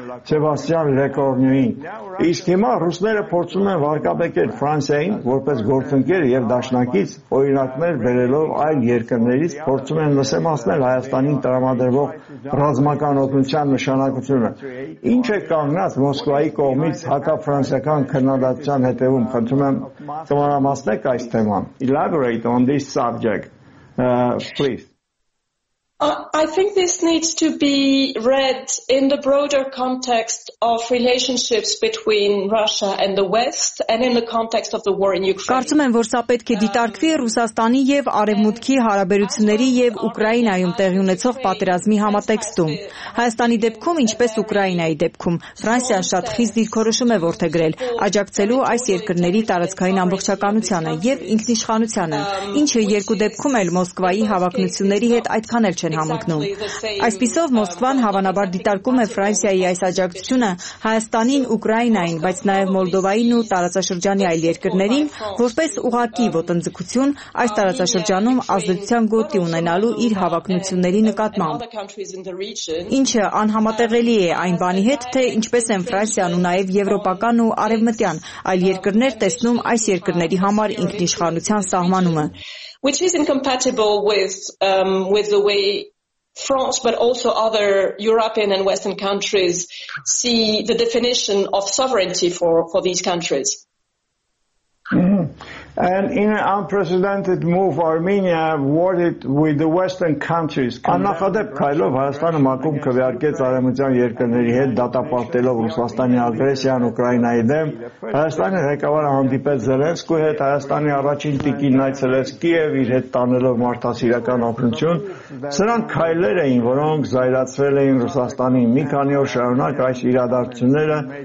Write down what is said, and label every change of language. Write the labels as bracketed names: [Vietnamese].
[Armenian] Սեբաստիան Լեկորնյուին։ Իսկ հիմա ռուսները փորձում են վարկաբեկել Ֆրանսիային որպես գործընկեր եւ դաշնակից, օրինակներ բերելով այլ երկրներից, փորձում են նսեմացնել Հայաստանին տրամադրվող ռազմական օգնության նշանակությունը։ Ինչ է կանգնած Մոսկվայի կողմից հակաֆրանսիական քննադատության հետևում, խնդրում եմ ծանրամասնեք այս թեման. [English] Elaborate on this subject, please. I think this needs to be read in the broader context of relationships between Russia and the West and in the context of the war in Ukraine. [Armenian] Կարծում եմ, որ սա պետք է դիտարկվի Ռուսաստանի եւ Արևմուտքի հարաբերությունների եւ Ուկրաինայում տեղի ունեցող պատերազմի համատեքստում։ Հայաստանի դեպքում, ինչպես Ուկրաինայի դեպքում, Ֆրանսիան շատ խիստ դիրքորոշում է որդեգրել աջակցելու այս երկրների տարածքային ամբողջականությանը եւ ինքնիշխանությանը, ինչը երկու դեպքում էլ Մոսկվայի հավակնությունների հետ այդքան չեն համընկնում։ Այսպիսով Մոսկվան հավանաբար դիտարկում է Ֆրանսիայի այս աջակցությունը Հայաստանին, Ուկրաինային, բայց նաև Մոլդովային ու տարածաշրջանի այլ երկրներին որպես ուղակի ոտնձգություն այս տարածաշրջանում ազդեցության գոտի ունենալու իր հավակնությունների նկատմամբ։ Ինչը անհամատեղելի է այն բանի հետ, թե ինչպես են Ֆրանսիան ու նաև եվրոպական ու արևմտյան այլ երկրներ տեսնում այս երկրների համար ինքնիշխանության սահմանումը, [English] which is incompatible with the way France but also other European and Western countries see the definition of sovereignty for these countries. Mm-hmm. And in an unprecedented move, Armenia awarded with the Western countries. [Armenian] Աննախադեպ քայլով Հայաստանը մակում քվեարկեց արևմտյան երկրների հետ, դատապարտելով Ռուսաստանի ագրեսիան Ուկրաինայի դեմ։ Հայաստանի ղեկավարը հանդիպեց Զելենսկու հետ, Հայաստանի առաջին տիկին այցելեց Կիև, իր հետ տանելով մարդասիրական օգնություն։ Սրանք քայլեր էին, որոնք զայրացրել էին Ռուսաստանի մի քանի օր շարունակ այս իրադարձությունները,